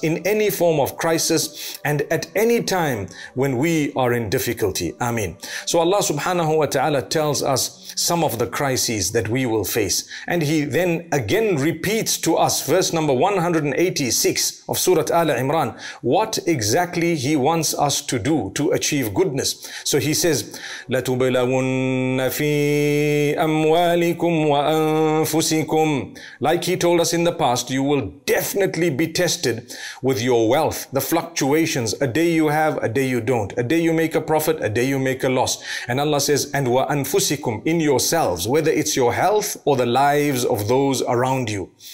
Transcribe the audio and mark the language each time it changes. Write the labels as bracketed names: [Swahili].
[English] in any form of crisis and at any time when we are in difficulty. Ameen. So Allah subhanahu wa ta'ala tells us some of the crises that we will face. And He then again repeats to us, verse number 186 of Surah Ali Imran, what exactly He wants us to do to achieve goodness. So He says, [Arabic] لَتُبْلَوُنَّ فِي أَمْوَالِكُمْ وَأَنفُسِكُمْ. [English] Like He told us in the past, you will definitely be tested with your wealth, the fluctuations, a day you have, a day you don't, a day you make a profit, a day you make a loss. And Allah says, and وَأَنفُسِكُمْ, in yourselves, whether it's your health or the lives of those around you.